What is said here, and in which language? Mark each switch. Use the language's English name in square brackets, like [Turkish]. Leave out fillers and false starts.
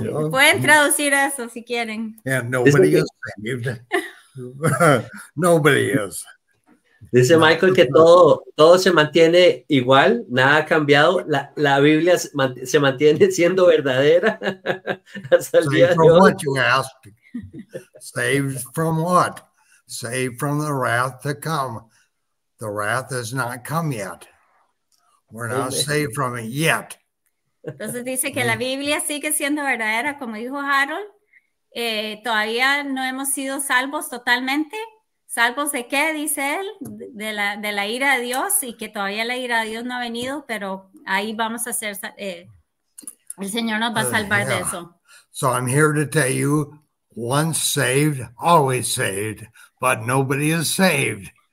[Spanish] Pueden traducir eso si quieren. [English] And nobody is saved. Nobody is. [Spanish] Dice Michael que todo se mantiene igual, nada ha cambiado, la Biblia se mantiene siendo verdadera hasta el día de hoy. [English] Saved from what you asked? Saved from what? saved from the wrath to come. The wrath has not come yet. We're not saved from it yet. [Spanish] Entonces dice que la Biblia sigue siendo verdadera, como dijo Harold. Todavía no hemos sido salvos totalmente. ¿Salvos de qué? Dice él, de la ira de Dios, y que todavía la ira de Dios no ha venido, pero ahí vamos a ser, el Señor nos va a salvar de eso. [English] So I'm here to tell you, once saved, always saved, but nobody is saved.